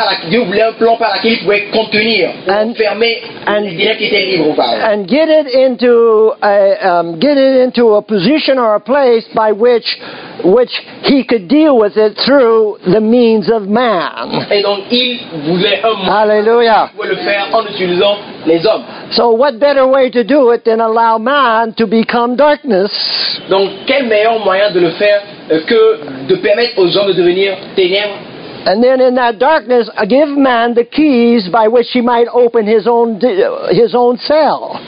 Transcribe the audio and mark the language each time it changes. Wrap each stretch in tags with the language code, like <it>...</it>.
<fr>Dieu voulait un plan par lequel il pouvait contenir, enfermer les ténèbres qui étaient libres ou pas.</fr> <en>And get it into a position or a place by which he could deal with it through the means of man.</en> <fr>Et donc il voulait un moyen pour le faire en utilisant les hommes.</fr> <en>So what better way to do it than allow man to become darkness?</en> <fr>Donc quel meilleur moyen de le faire que de permettre aux hommes de devenir ténèbres?</fr> <en>And then in that darkness, give man the keys by which he might open his own cell.</en>